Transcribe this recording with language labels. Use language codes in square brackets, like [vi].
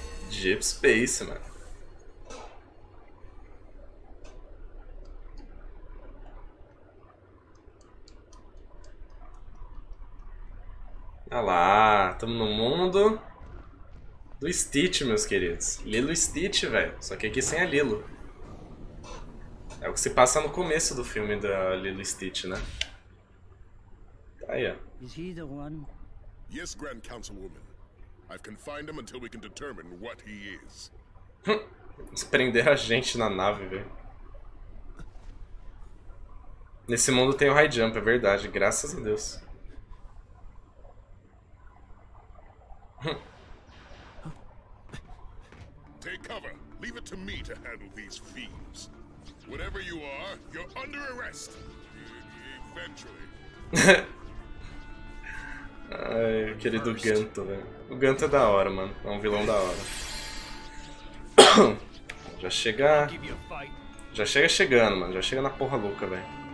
[pt] Deep Space, mano. Ah lá, tamo no mundo do Stitch, meus queridos. Lilo Stitch, velho. Só que aqui sem a Lilo. É o que se passa no começo do filme da Lilo Stitch, né? Aí, ó. [en] Is he the one? Yes, Grand Councilwoman. I've confined him until we can determine what he is. [pt] Prender a gente na nave, velho. Nesse mundo tem o high jump, é verdade, graças a Deus. [en] Take cover. Leave it to me to handle these fiends. Whatever you are, you're under arrest. Eventually. [pt] Ai, o querido Ganto, velho. O Ganto é da hora, mano. É um vilão da hora. Já chega. Já chega chegando, mano. Já chega na porra louca, velho.